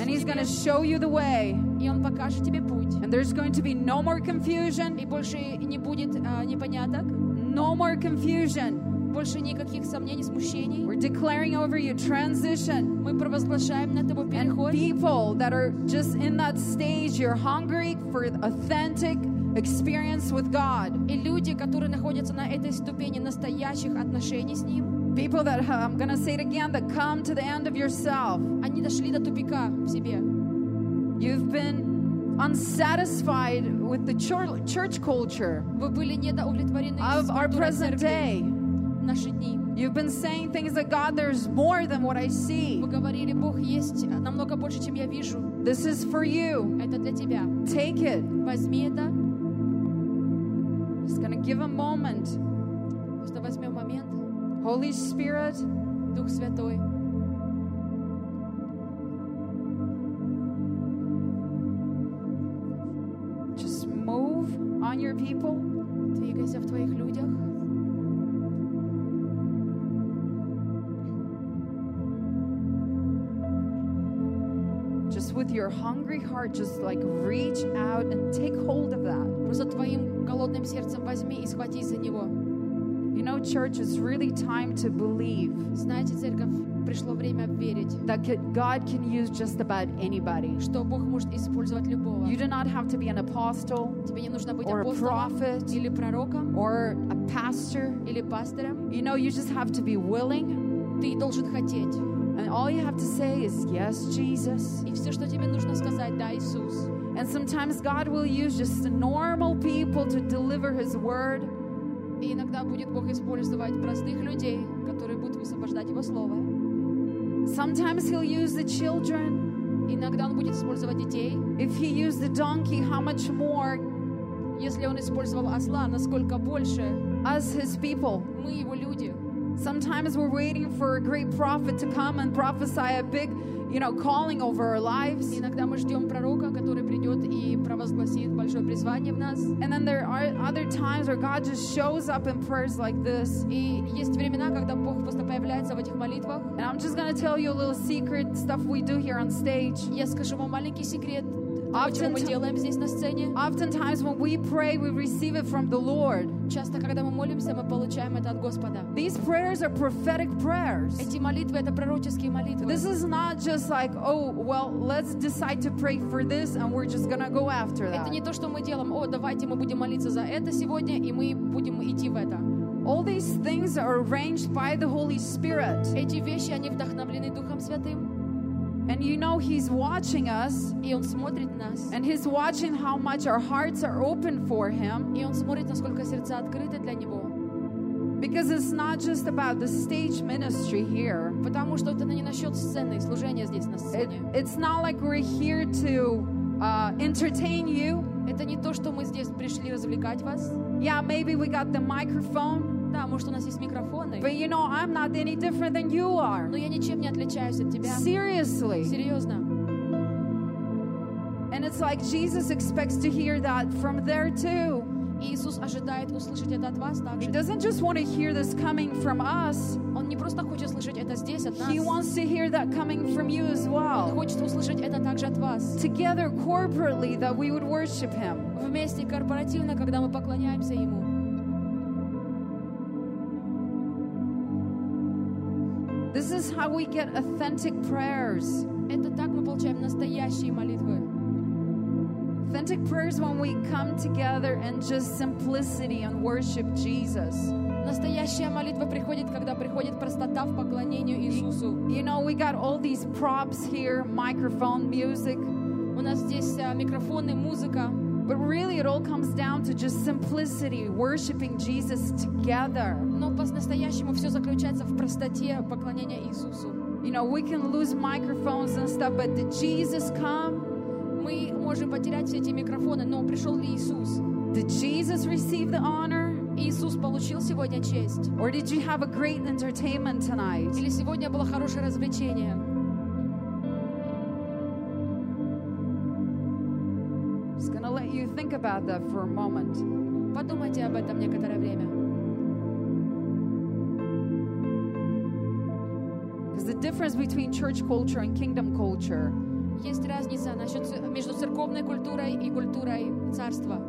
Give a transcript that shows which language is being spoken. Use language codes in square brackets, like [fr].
[en] And He's going to show you the way. [ru] И Он покажет тебе путь. [en] And there's going to be no more confusion. [ru] И больше не будет непоняток. [en] No more confusion. [ru] Больше никаких сомнений, смущений. [en] We're declaring over you transition. [ru] Мы провозглашаем над тобой переход. [en] And people that are just in that stage, you're hungry for authentic experience with God. [ru] И люди, которые находятся на этой ступени настоящих отношений с Ним. [en] People that have, I'm gonna say it again, that come to the end of yourself. [ru] Они дошли до тупика в себе. [en] You've been unsatisfied with the church culture. [ru] Вы были недовлетворены [en] of our present day. [ru] Наши дни. [en] You've been saying things that God, there's more than what I see. [ru] Вы говорили, Бог есть намного больше, чем я вижу. [en] This is for you. [ru] Это для тебя. [en] Take it. [ru] Возьми это. [en] Just gonna give a moment. [ru] Просто возьмем момент. [en] Holy Spirit. [ru] Дух Святой. [en] Just move on your people. [ru] Двигайся в твоих людях. [en] Just with your hungry heart, just like reach out and take hold of that. [ru] Просто твоим холодным сердцем возьми и схватись за него. [en] You know, church, it's really time to believe. [ru] Знаете, церковь, пришло время верить. [en] That God can use just about anybody. [ru] Что Бог может использовать любого. [en] You do not have to be an apostle. [ru] Тебе не нужно быть апостолом. [en] Or a prophet. [ru] Или пророком. [en] Or a pastor. [ru] Или пастором. [en] You know, you just have to be willing. [ru] Ты должен хотеть. [en] And all you have to say is yes, Jesus. [ru] И все, что тебе нужно сказать, да, Иисус. [en] And sometimes God will use just normal people to deliver His word. [ru] И иногда будет Бог использовать простых людей, которые будут высвобождать Его Слово. [en] Sometimes He'll use the children. [ru] Иногда Он будет использовать детей. [en] If He used the donkey, how much more? [ru] Если Он использовал осла, насколько больше? [en] Us, His people. [ru] Мы Его люди. [en] Sometimes we're waiting for a great prophet to come and prophesy a big, you know, calling over our lives. [ru] Иногда мы ждем пророка, который придет и провозгласит большое призвание в нас. [en] And then there are other times where God just shows up in prayers like this. [ru] И есть времена, когда Бог просто появляется в этих молитвах. [en] And I'm just gonna tell you a little secret stuff we do here on stage. [ru] Я скажу вам маленький секрет. [en] Often, [ru] мы делаем здесь на сцене. [en] Oftentimes when we pray, we receive it from the Lord. [ru] Часто когда мы молимся, мы получаем это от Господа. [en] These prayers are prophetic prayers. [ru] Эти молитвы — это пророческие молитвы. [en] This is not just like, oh, well, let's decide to pray for this and we're just gonna go after that. [ru] Это не то, что мы делаем. О, давайте мы будем молиться за это сегодня и мы будем идти в это. [en] All these things are arranged by the Holy Spirit. [ru] Эти вещи, они вдохновлены Духом Святым. [en] And you know He's watching us. [ru] И Он смотрит нас. [en] And He's watching how much our hearts are open for Him. [ru] И Он смотрит, насколько сердца открыты для Него. [en] Because it's not just about the stage ministry here. [ru] Потому что это не насчет сцены, служения здесь на сцене. [en] It's not like we're here to entertain you. [ru] Это не то, что мы здесь пришли развлекать вас. [en] Yeah, maybe we got the microphone. [ru] Да, может, у нас есть микрофоны. [en] But you know, I'm not any different than you are. [ru] Но я ничем не отличаюсь от тебя. [en] Seriously. [ru] Серьезно. [en] And it's like Jesus expects to hear that from there too. [ru] Иисус ожидает услышать это от вас также. [en] He doesn't just want to hear this coming from us. [ru] Он не просто хочет слышать это здесь от нас. [en] He wants to hear that coming from you as well. [ru] Он хочет услышать это также от вас. [en] Together, corporately, that we would worship Him. [ru] Вместе, корпоративно, когда мы поклоняемся Ему. [en] This is how we get authentic prayers. [ru] Это так мы получаем настоящие молитвы. [en] Authentic prayers when we come together in just simplicity and worship Jesus. [ru] Настоящая молитва приходит, когда приходит простота в поклонении Иисусу. [en] You know, we got all these props here, microphone, music. [ru] У нас здесь микрофоны, музыка. [en] But really it all comes down to just simplicity, worshiping Jesus together. [ru] Но по-настоящему все заключается в простоте поклонения Иисусу. [en] You know, we can lose microphones and stuff, but did Jesus come? [ru] Мы можем потерять все эти микрофоны, но пришел ли Иисус? [en] Did Jesus receive the honor? [ru] Иисус получил сегодня честь? [en] Or did you have a great entertainment tonight? [ru] Или сегодня было хорошее развлечение? [en] Just gonna let you think about that for a moment. [ru] Подумайте об этом некоторое время. [en] Because the difference between church culture and kingdom culture. [ru] Есть разница насчет между церковной культурой и культурой царства.